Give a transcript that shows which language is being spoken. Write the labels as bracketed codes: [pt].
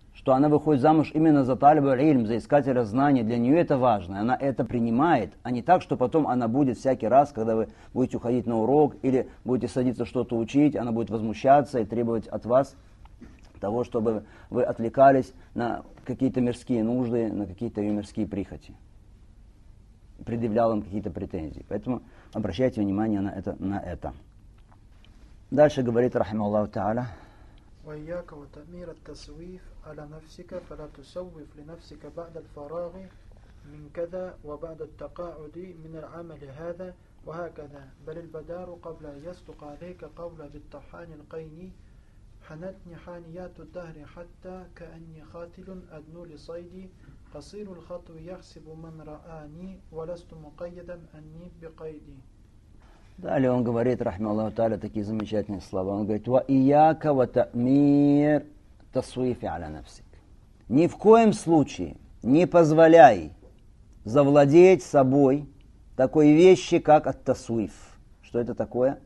[ru] Что она выходит замуж именно за талиба аль-ильм, за искателя знаний, для нее это важно, она это принимает, а не так, что потом она будет всякий раз, когда вы будете уходить на урок или будете садиться что-то учить, она будет возмущаться и требовать от вас того, чтобы вы отвлекались на какие-то мирские нужды, на какие-то ее мирские прихоти, предъявлял им какие-то претензии. Поэтому обращайте внимание на это. Дальше говорит рахима Аллаху тааля. [ar] وإياك وتأمير التسويف على نفسك فلا تسوف لنفسك بعد الفراغ من كذا وبعد التقاعد من العمل هذا وهكذا بل البدار قبل أن يصدق عليك قول بالطحان القين حنتني حانيات الدهر حتى كأني خاتل أدنو لصيدي قصير الخطو يحسب من رآني ولست مقيدا أني بقيدي. [ru] Далее он говорит, рахима Аллаху тааля, такие замечательные слова. Он говорит, [ar] «Ва ияка ва тамир тасуифи аля нафсик». [ru] Ни в коем случае не позволяй завладеть собой такой вещи, как ат-тасуиф. Что это такое?